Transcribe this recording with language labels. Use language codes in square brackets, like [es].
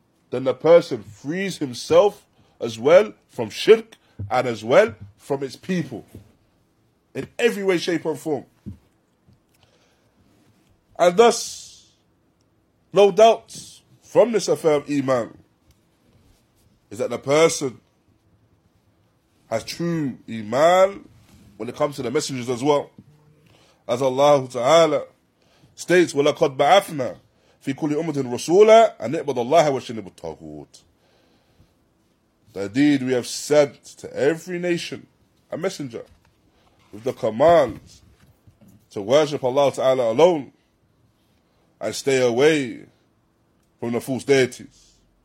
[en] Then the person frees himself as well from shirk and as well from its people in every way, shape and form. And thus, no doubt from this affair of iman is that the person has true iman when it comes to the messengers as well. As Allah Ta'ala states, [ar] وَلَقَدْ بَعَثْنَا فِي كُلِّ أُمَّةٍ رَسُولًا أَنْ اِعْبُدُوا اللَّهَ وَاجْتَنِبُوا الطَّاغُوتَ. [en] That indeed we have sent to every nation a messenger with the command to worship Allah Ta'ala alone and stay away from the false deities.